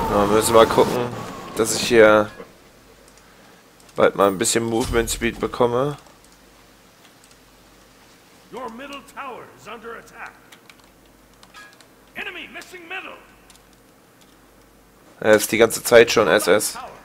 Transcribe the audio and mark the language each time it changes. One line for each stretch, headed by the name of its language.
German: Müssen wir mal gucken, dass ich hier bald mal ein bisschen Movement Speed bekomme.
English: Your middle tower is under attack. Enemy missing middle.
German: Er ist die ganze Zeit schon SS.